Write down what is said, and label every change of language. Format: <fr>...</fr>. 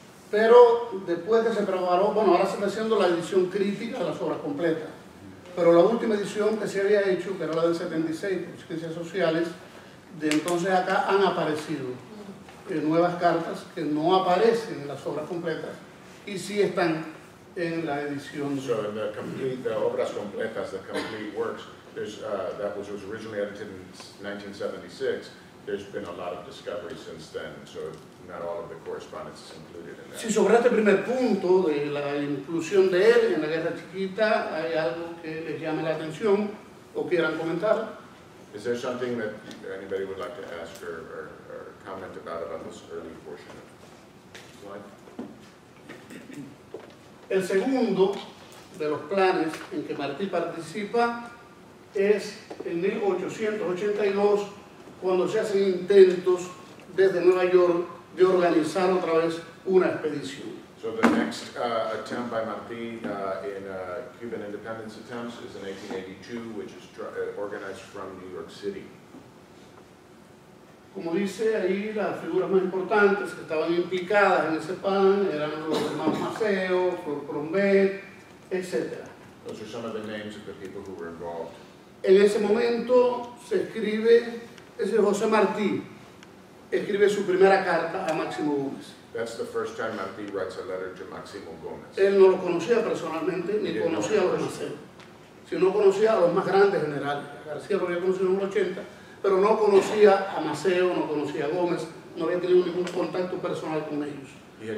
<es>Pero después que se preparó, bueno, ahora se está haciendo la edición crítica de las obras completas. Pero la última edición que se había hecho, que era la del 76, por Ciencias Sociales, de entonces acá han aparecido nuevas cartas que no aparecen en las obras completas y sí están en la edición.</es> <en>So in the complete, the obras completas, the complete works, that which was originally edited in 1976, there's been a lot of discovery since then, so not all of the correspondence is included in that.</en> <es>Sí, sobre este primer punto de la inclusión de él en la Guerra Chiquita, ¿hay algo que les llame la atención o quieran comentar?</es> <en>Is there something that anybody would like to ask or comment about this early portion of the slide?</en> <es>El segundo de los planes en que Martí participa es en 1882, cuando se hacen intentos desde Nueva York de organizar otra vez una expedición.</es> <en>So the next attempt by Martí in Cuban independence attempts is in 1882, which is organized from New York City.</en> <es>Como dice ahí, las figuras más importantes que estaban implicadas en ese plan eran los hermanos Maceo, Flor Crombet, etc.</es> <en>Those are some of the names of the people who were involved.</en> <es>En ese momento se escribe, ese José Martí escribe su primera carta a Máximo Gómez.</es> <en>That's the first time Martí writes a letter to Máximo Gómez.</en> <es>Él no lo conocía personalmente, ni conocía a los Maceo, sino conocía a los más grandes generales. García lo había conocido en los 80, pero no conocía a Maceo, no conocía a Gómez, no había tenido ningún contacto personal con ellos.</es>